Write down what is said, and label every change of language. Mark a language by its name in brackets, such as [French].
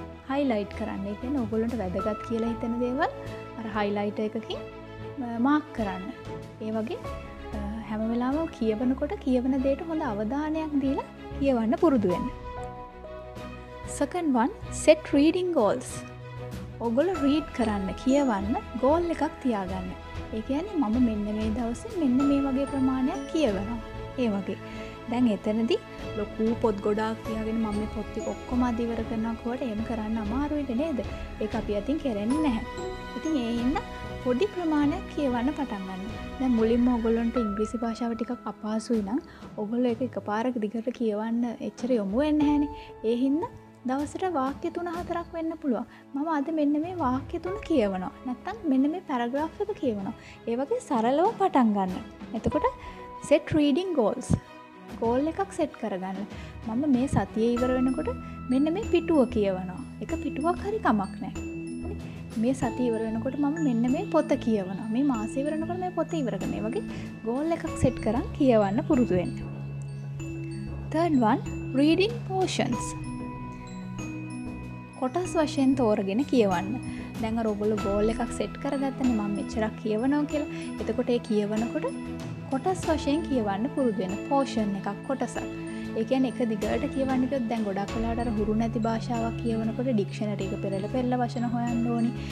[Sinhala] highlight කරන්න. ඒ කියන්නේ ඔයගොල්ලන්ට වැදගත් කියලා හිතන දේවල් අර highlighter එකකින් mark කරන්න. ඒ වගේ හැම වෙලාවෙම කියවනකොට කියවන දේට හොඳ අවධානයක් දීලා කියවන්න පුරුදු වෙන්න. [English] Second one, set reading goals. [Sinhala] ඔගොල්ලෝ රීඩ් කරන්න කියවන්න ගෝල් එකක් තියාගන්න. ඒ කියන්නේ මම මෙන්න මේ දවසේ මෙන්න මේ වගේ ප්‍රමාණයක් කියවනවා. ඒ වගේ. දැන් එතනදී ලොකු පොත් ගොඩාක් තියාගෙන මම මේ පොත් ටික ඔක්කොම අදිවර කරනකොට එහෙම කරන්න අමාරු වෙන්නේ නේද? ඒක අපි අතින් කරන්නේ නැහැ. ඉතින් ඒ හිඳ පොඩි ප්‍රමාණයක් කියවන්න පටන් ගන්න. දැන් මුලින්ම ඔයගොල්ලන්ට ඉංග්‍රීසි භාෂාව ටිකක් අපහසුයි නම් ඔයගොල්ලෝ ඒක එකපාරක් දිගට කියවන්න එච්චර යොමු වෙන්නේ නැහැනේ. ඒ හිඳ දවසට වාක්‍ය තුන හතරක් වෙන්න පුළුවන්. මම අද මෙන්න මේ වාක්‍ය තුන කියවනවා. නැත්තම් මෙන්න මේ පැරග්‍රාෆ් එක කියවනවා. ඒ වගේ සරලව පටන් ගන්න. [English] එතකොට set reading goals. [Sinhala] goal එකක් set කරගන්න. මම මේ සතියේ ඉවර වෙනකොට මෙන්න මේ පිටුව කියවනවා. එක පිටුවක් හරි කමක් නැහැ. මේ සතිය ඉවර වෙනකොට මම මෙන්න මේ පොත කියවනවා. මේ මාසය ඉවර වෙනකොට මේ පොත ඉවර කරනවා. ඒ වගේ goal එකක් set කරන් කියවන්න පුරුදු වෙන්න. [English] Third one, reading portions. [Sinhala] කොටස් වශයෙන් තෝරගෙන කියවන්න. දැන් අර ඔයගොල්ලෝ ගෝල් එකක් සෙට් කරගත්තනේ මම මෙච්චරක් කියවනවා කියලා. එතකොට ඒ කියවනකොට කොටස් වශයෙන් කියවන්න පුරුදු වෙන. පෝෂන් එකක් කොටසක්. ඒ කියන්නේ එක දිගට කියවන්න කිව්වොත් දැන් ගොඩක් වෙලාවට අර හුරු නැති භාෂාවක් කියවනකොට ඩික්ෂනරි එක පෙරල පෙරල වචන හොයන්න ඕනි.